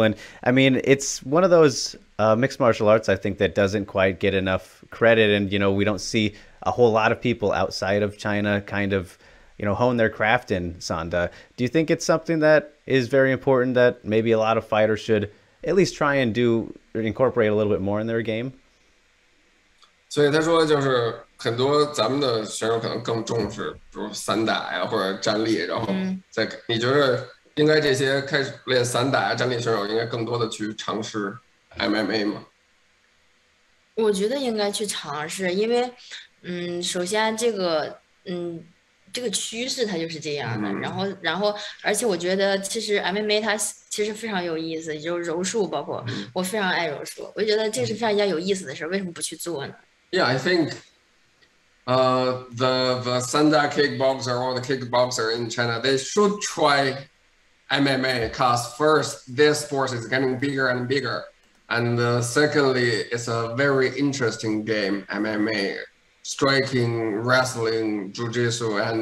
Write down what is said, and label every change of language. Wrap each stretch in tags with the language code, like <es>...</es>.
<en>And I mean, it's one of those mixed martial arts, I think, that doesn't quite get enough credit. And, you know, we don't see a whole lot of people outside of China kind of, you know, hone their craft in Sanda. Do you think it's something that is very important that maybe a lot of fighters should at least try and do, or incorporate a little bit more in their game?</en> <zh>所以他说就是很多咱们的选手可能更重视，比如散打呀，或者站立，然后在，你觉得应该这些开始练散打、站立选手应该更多的去尝试MMA吗？我觉得应该去尝试，因为首先这个，这个趋势它就是这样的。然后，而且我觉得其实 MMA 它其实非常有意思，就是柔术，包括我非常爱柔术，我觉得这是非常一件有意思的事，为什么不去做呢？</zh> <en>Yeah, I think the Sanda kickboxer or the kickboxer in China, they should try MMA because first, this sport is getting bigger and bigger. And secondly, it's a very interesting game, MMA, striking, wrestling, jujitsu.</en>